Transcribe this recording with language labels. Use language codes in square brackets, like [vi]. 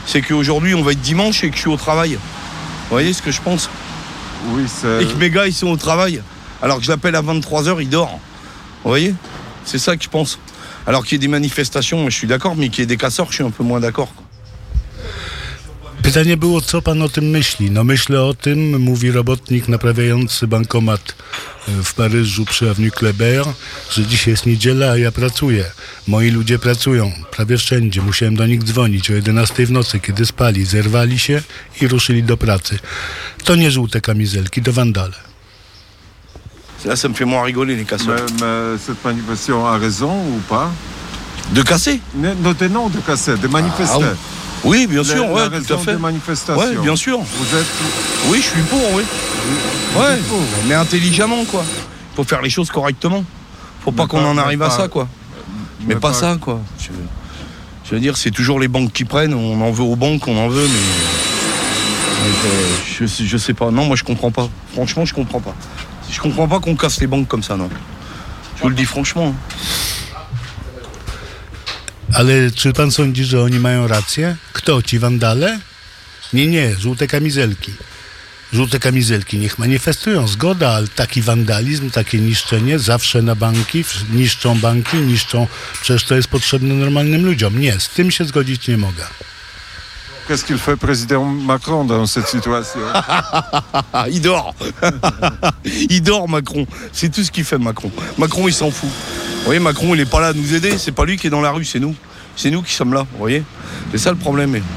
[fr] c'est qu'aujourd'hui, on va être dimanche et que je suis au travail. Vous voyez ce que je pense? Oui, c'est... Et que mes gars, ils sont au travail. Alors que je l'appelle à 23h, il dort. Vous voyez? C'est ça que je pense. Alors qu'il y ait des manifestations, je suis d'accord, mais qu'il y ait des casseurs, je suis un peu moins d'accord. [pl] Pytanie było, co pan o tym myśli? No myślę o tym, mówi robotnik naprawiający bankomat w Paryżu przy Avenue Kléber, że dzisiaj jest niedziela, a ja pracuję. Moi ludzie pracują prawie wszędzie. Musiałem do nich dzwonić o 11 w nocy, kiedy spali, zerwali się i ruszyli do pracy. To nie żółte kamizelki, to wandale. [fr] Là, ça me fait moins rigoler, les casseurs. Mais cette manifestation a raison ou pas? De casser? Non, de casser, de manifester. Ah, oui. Oui, bien sûr, ouais, tout à fait. La manifestation. Oui, bien sûr. Vous êtes... Oui, je suis pour, oui. Oui, mais intelligemment, quoi. Il faut faire les choses correctement. Faut pas qu'on en arrive à ça, quoi. Mais pas ça, quoi. Je veux dire, c'est toujours les banques qui prennent. On en veut aux banques, on en veut, mais... je sais pas. Non, moi, je comprends pas. Franchement, je comprends pas. Je comprends pas qu'on casse les banques comme ça, non. Je vous le dis franchement. [pl] Ale czy pan sądzi, że oni mają rację? Kto, ci wandale? Nie, żółte kamizelki. Żółte kamizelki niech manifestują, zgoda, ale taki wandalizm, takie niszczenie zawsze na banki, niszczą banki, niszczą, przecież to jest potrzebne normalnym ludziom. Nie, z tym się zgodzić nie mogę. [fr] Qu'est-ce qu'il fait président Macron dans cette situation? Il dort. Il dort, Macron. C'est tout ce qu'il fait, Macron. Macron, il s'en fout. Vous voyez, Macron, il n'est pas là à nous aider. C'est pas lui qui est dans la rue, c'est nous. C'est nous qui sommes là, vous voyez. C'est ça le problème.